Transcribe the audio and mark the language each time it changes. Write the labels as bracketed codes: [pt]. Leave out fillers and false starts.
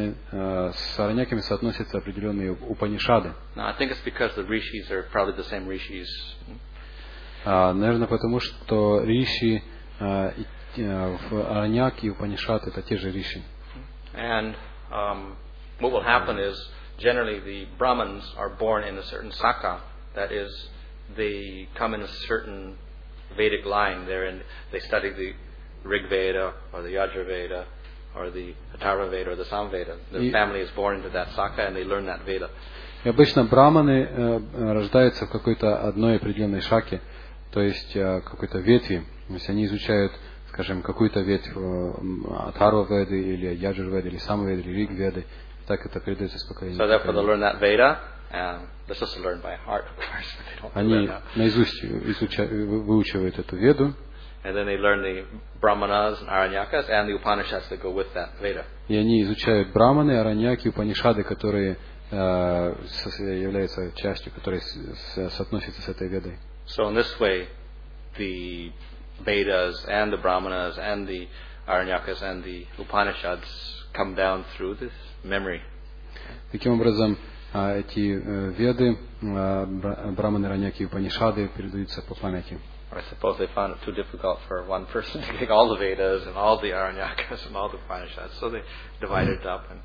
[ru] С араньяками соотносятся определенные упанишады. [en] Now, I think it's because the rishis are probably the same rishis. [ru] Наверное, потому что риши в араньяк и упанишад это те же риши. [en] And what will happen is generally the brahmins are born in a certain saka, that is, they come in a certain Vedic line there, and they study the Rig Veda or the Yajur Veda or the Atharva Veda or the Sam Veda. The family is born into that Saka and they learn that Veda. [ru] И обычно браманы рождаются в какой-то одной определенной шаке, то есть какой-то ветви. То есть они изучают, скажем, какую-то ветвь Атарва Веды или Яджур Веды или Сам Веды или Риг Веды. Так это передается из поколения. [en] So therefore, they learn that Veda. This is learned by heart, of course. [ru] Они наизусть выучивают эту веду. [en] And then they learn the brahmanas and aranyakas and the upanishads that go with that Veda. [ru] И они изучают браманы, араньяки, упанишады, которые являются частью, которые соотносятся с этой ведой. [en] So in this way, the Vedas and the brahmanas and the aranyakas and the upanishads come down through this memory. [ru] Таким образом, эти веды, браманы, раньяки и упанишады передаются по памяти. [en] I suppose they found it too difficult for one person to take all the Vedas and all the Aranyakas and all the Upanishads, so they divided it up.